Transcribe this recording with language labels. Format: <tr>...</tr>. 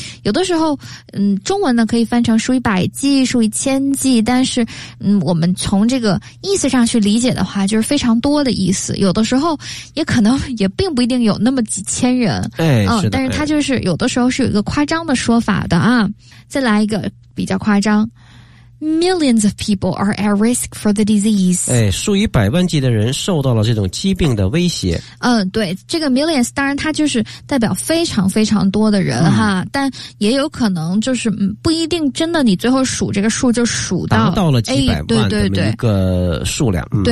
<zh>有的时候中文呢可以翻成数以百计数以千计，但是我们从这个意思上去理解的话就是非常多的意思，有的时候也可能也并不一定有那么几千人。但是它就是有的时候是有一个夸张的说法的啊。再来一个比较夸张。</zh> <en>Millions of people are at risk for the disease.</en> <zh>数以百万计的人受到了这种疾病的威胁。对，这个 millions 当然它就是代表非常非常多的人哈，但也有可能就是不一定真的你最后数这个数就数到达到了几百万这么一个数量。</zh>